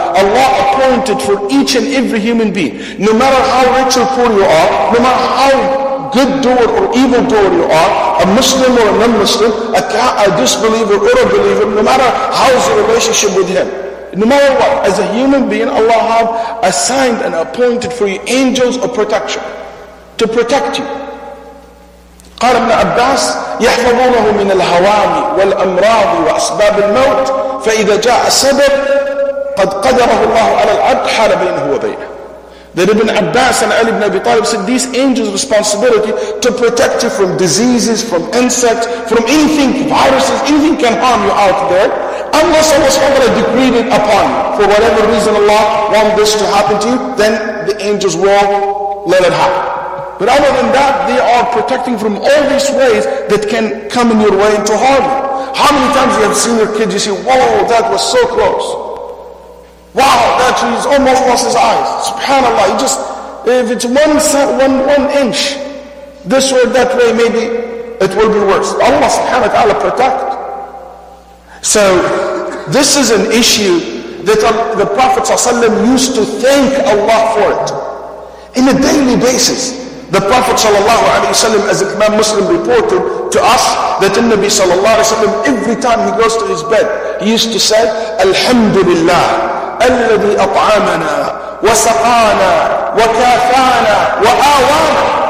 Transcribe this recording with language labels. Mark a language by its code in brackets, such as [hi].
[en] Allah appointed for each and every human being, no matter how rich or poor you are, no matter how good doer or evil doer you are, a Muslim or a non-Muslim, a disbeliever or a believer, no matter how is your relationship with Him, no matter what, as a human being, Allah have assigned and appointed for you angels of protection to protect you. [ar] قال ابن عباس يحفظونه من الهوام والأمراض وأسباب الموت فإذا جاء سبب قد قدره الله على العبد حال بينه وبينه. [en] That Ibn Abbas and Ali ibn Abi Talib said, these angels' responsibility to protect you from diseases, from insects, from anything, viruses, anything can harm you out there, unless Allah subhanahu wa ta'ala decreed it upon you. For whatever reason Allah wants this to happen to you, then the angels will let it happen. But other than that, they are protecting from all these ways that can come in your way and to harm you. How many times you have seen your kids, you say, whoa, that was so close. Wow, that he's almost lost his eyes. SubhanAllah, he just, if it's one inch, this way, that way, maybe it will be worse. Allah subhanahu wa ta'ala protect. So, this is an issue that the Prophet ﷺ used to thank Allah for it. In a daily basis, the Prophet ﷺ, as Imam Muslim reported to us, that in Nabi sallallahu alayhi wa sallam, every time he goes to his bed, he used to say, Alhamdulillah. [ar] الذي أطعمنا وسقانا وكافانا وآوانا.